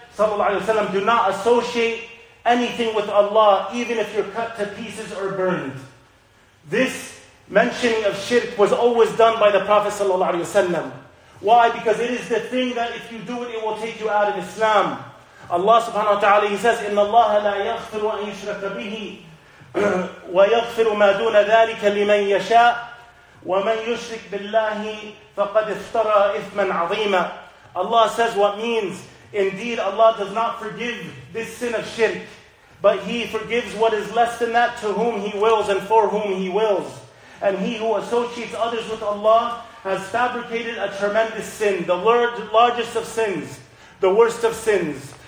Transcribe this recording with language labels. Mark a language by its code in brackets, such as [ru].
[en] صلى الله عليه وسلم, do not associate anything with Allah, even if you're cut to pieces or burned. This mentioning of shirk was always done by the Prophet صلى الله عليه وسلم. Why? Because it is the thing that if you do it, it will take you out of Islam. [ar] Allah subhanahu wa ta'ala, [en] He says, [ar] إِنَّ اللَّهَ لَا يَغْفِرُ أَن يُشْرَكَ بِهِ وَيَغْفِرُ مَا دُونَ ذَلِكَ لِمَنْ يَشَاءُ وَمَنْ يُشْرِكْ بِاللَّهِ فَقَدْ افْتَرَى إِثْمًا عَظِيمًا. [en] Allah says what means, indeed Allah does not forgive this sin of shirk, but He forgives what is less than that to whom He wills and for whom He wills. And he who associates others with Allah has fabricated a tremendous sin, the largest of sins, the worst of sins.